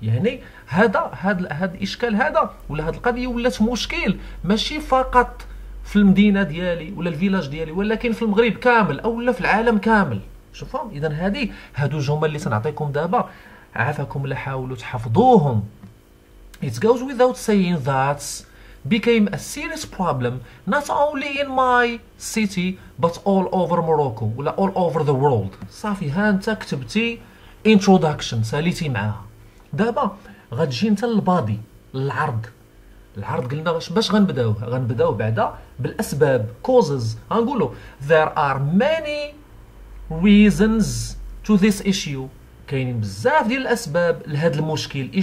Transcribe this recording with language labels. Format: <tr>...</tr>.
<ar>يعني هذا الاشكال هذا ولا هاد القضية ولات مشكل ماشي فقط في المدينة ديالي ولا الفيلاج ديالي، ولكن في المغرب كامل أو في العالم كامل. شوفوا، إذا هادو الجمل اللي سنعطيكم دابا، عافاكم لا حاولوا تحفظوهم.</ar> <en>It goes without saying that became a serious problem not only in my city but all over Morocco</en> <ar>ولا</ar> <en>all over the world.</en> <ar>صافي، ها انت كتبتي introduction، ساليتي معاها. دابا غتجي انت للبادي، العرض. العرض قلنا باش غنبداو بعدا بالاسباب، causes. غنقولوا</ar> <en>there are many reasons to this issue،</en> <ar>كاينين بزاف ديال الاسباب لهذا المشكل.</ar>